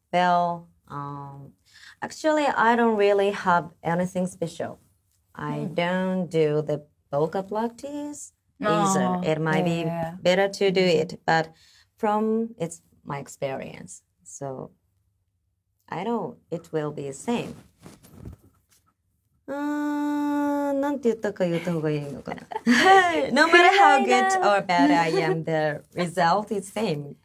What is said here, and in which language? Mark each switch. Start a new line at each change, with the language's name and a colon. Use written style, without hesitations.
English: Well, actually, I don't really have anything special. I don't do the vocal practice. Either. It might be better to do it, but it's my experience. So I know it will be the same.
Japanese: なんて言ったか言った方がいいのかな。
English: No matter how good or bad I am, the result is same.